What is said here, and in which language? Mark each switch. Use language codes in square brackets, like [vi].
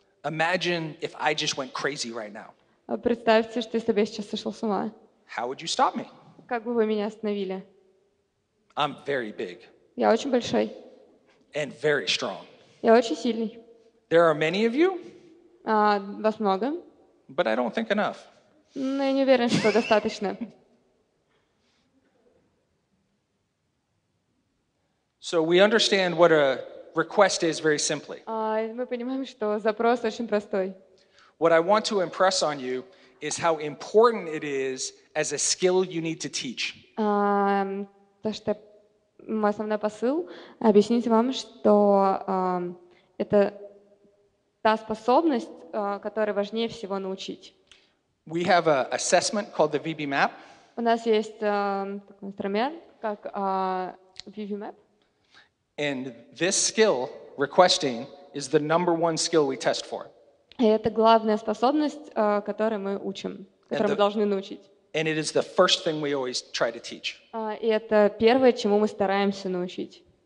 [en] Imagine if I just went crazy right now. [ru] Представьте, что если бы я сейчас сошел с ума. [en] How would you stop me? [ru] Как бы вы меня остановили? [en] I'm very big. [ru] Я очень большой. [en] And very strong. [ru] Я очень сильный. [en] There are many of you. [ru] Вас много. [en] But I don't think enough. [ru] Но я не уверен, что достаточно. [en] So we understand what a request is very simply. [ru] Мы понимаем, что запрос очень простой. [en] What I want to impress on you is how important it is as a skill you need to teach. [ru] То, что мой основной посыл объяснить вам, что это та способность, которой важнее всего научить. [en] We have an assessment called the VBMAP. [ru] У нас есть такой инструмент, как VBMAP. [en] And this skill, requesting, is the number one skill we test for. [ru] Это главная способность, которую мы учим, которую мы должны научить. [en] And it is the first thing we always try to teach. [ru] И это первое, чему мы стараемся научить.